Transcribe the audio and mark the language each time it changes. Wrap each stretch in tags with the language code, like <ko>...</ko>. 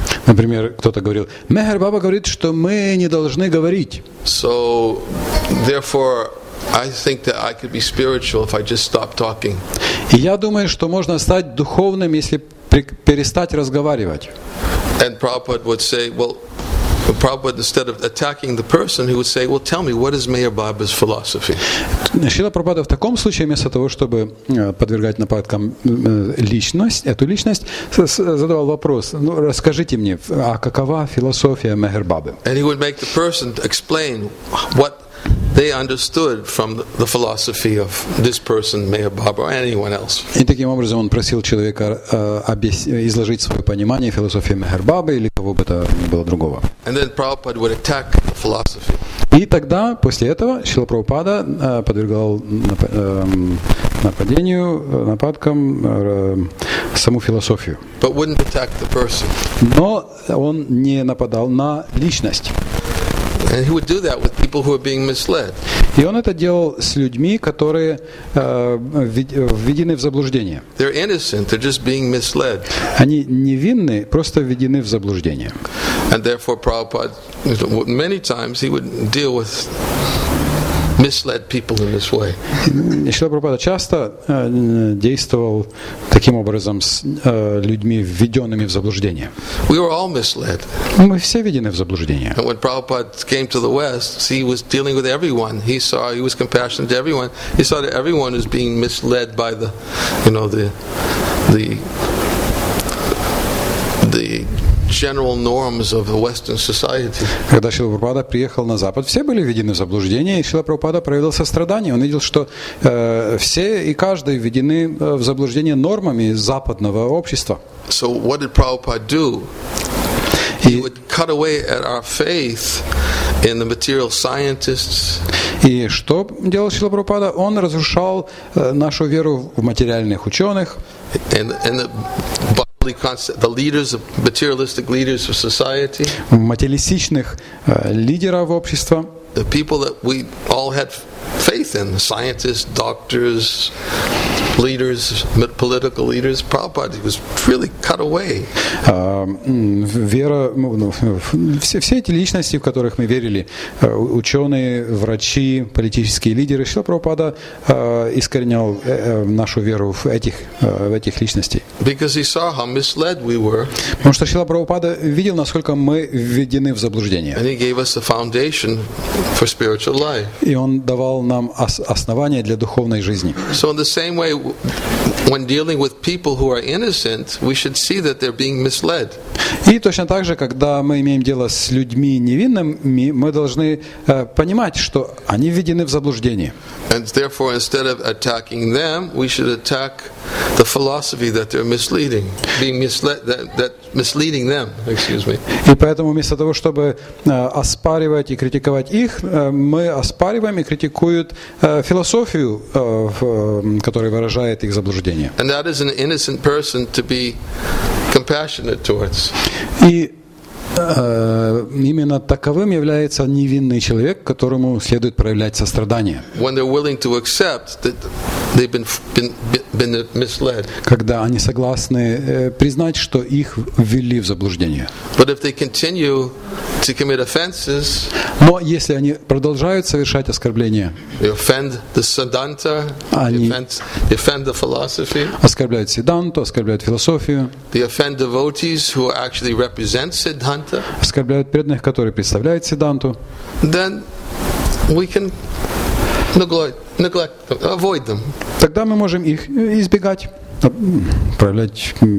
<ru>Например, кто-то говорил, Мейер Баба говорит, что мы не должны говорить.</ru> <en>So, therefore, I think that I could be spiritual if I just stop talking.</en> <ru>И я думаю, что можно стать духовным, если перестать разговаривать.</ru> <en>And Prabhupada would say, well, Prabhupada, instead of attacking the person, he would say, well, tell me, what is Mayor Baba's philosophy?</en> <ru>Шрила Прабхупада в таком случае, вместо того, чтобы подвергать нападкам личность, эту личность, задавал вопрос, ну, расскажите мне, а какова философия Мейер Бабы?</ru> <en>And he would make the person explain what they understood from the philosophy of this person, Meher Baba, or anyone else.</en> <ru>И таким образом он просил человека изложить свое понимание философии Мехер Бабы или кого бы то ни было другого.</ru> <en>And then Prabhupada would attack the philosophy.</en> <ru>И тогда, после этого, Шрила Прабхупада подвергал нападению, нападкам саму философию.</ru> <en>But wouldn't attack the person.</en> <ru>Но он не нападал на личность.</ru> <en>And he would do that with people who are being misled.</en> <ru>И он это делал с людьми, которые введены в заблуждение.</ru> <en>They're innocent, they're just being misled.</en> <ru>Они невинны, просто введены в заблуждение.</ru> <en>And therefore, Prabhupada, many times he would deal with misled people in this way.</en> <ru>Шрила Прабхупада часто действовал таким образом с людьми, введенными в заблуждение.</ru> <en>We were all misled.</en> <ru>Мы все введены в заблуждение.</ru> <en>And when Prabhupada came to the West, he was dealing with everyone. He saw, he was compassionate to everyone. He saw that everyone was being misled by the, you know, the general norms of the Western society.</en> <ru>Когда Шрила Прабхупада приехал на Запад, все были введены в заблуждение, и Шрила Прабхупада проявил сострадание. Он видел, что все и каждый введены в заблуждение нормами западного общества.</ru> <en>So what did Prabhupada do? He would cut away at our faith in the material scientists.</en> <ru>И что делал Шрила Прабхупада? Он разрушал нашу веру в материальных ученых.</ru> <en>And the leaders of materialistic leaders of society,</en> <ru>материалистичных лидеров общества,</ru> <en>the people that we all had faith in, scientists, doctors, leaders, political leaders, Prabhupada was really cut away.</en> <ru>Вера, все эти личности, в которых мы верили, ученые, врачи, политические лидеры, Шрила Прабхупада искоренял нашу веру в этих личностей.</ru> <en>Because he saw how misled we were.</en> <ru>Потому что Шрила Прабхупада видел, насколько мы введены в заблуждение.</ru> <en>And he gave us a foundation for spiritual life.</en> <ru>И он давал нам основание для духовной жизни.</ru> <en>So in the same way, when dealing with people who are innocent, we should see that they're being misled.</en> <ru>И точно так же, когда мы имеем дело с людьми невинными, мы должны понимать, что они введены в заблуждение.</ru> <en>And therefore, instead of attacking them, we should attack the philosophy that they're misleading, being misled, that misleading them. Excuse me.</en> <ru>И поэтому вместо того, чтобы оспаривать и критиковать их, мы оспариваем и критикуют философию, которая выражает их заблуждение.</ru> <en>And that is an innocent person to be compassionate towards.</en> <ru>И именно таковым является невинный человек, которому следует проявлять сострадание.</ru> <en>When they're willing to accept that they've been misled.</en> <ru>Когда они согласны признать, что их ввели в заблуждение.</ru> <en>But if they continue to commit offenses,</en> <ru>но если они продолжают совершать оскорбления,</ru> <en>they offend the siddhanta, they offend the philosophy,</en> <ru>оскорбляют сиддханту, оскорбляют философию,</ru> <en>they offend devotees who actually represent siddhanta,</en> <ru>оскорбляют преданных, которые представляют сиддханту,</ru> <en>then we can neglect them, avoid them.</en> <ru>Тогда мы можем их избегать, проявлять</ru>